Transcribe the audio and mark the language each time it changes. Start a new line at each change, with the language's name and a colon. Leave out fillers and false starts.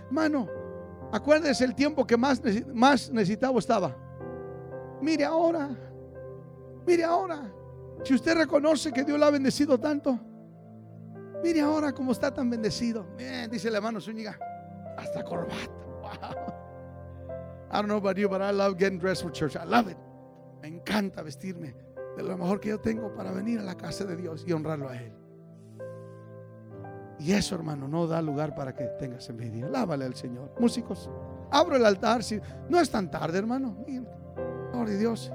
Spanish: Hermano, acuérdese el tiempo que más necesitado estaba. Mire ahora, si usted reconoce que Dios lo ha bendecido tanto, mire ahora cómo está tan bendecido. Bien, dice la hermano Zúñiga. Hasta corbata. Wow.
English: I don't know about you, but I love getting dressed for church. I love it.
Spanish: Me encanta vestirme de lo mejor que yo tengo para venir a la casa de Dios y honrarlo a Él. Y eso, hermano, no da lugar para que tengas envidia. Lávale al Señor. Músicos, abro el altar. Si no es tan tarde, hermano. Gloria a Dios.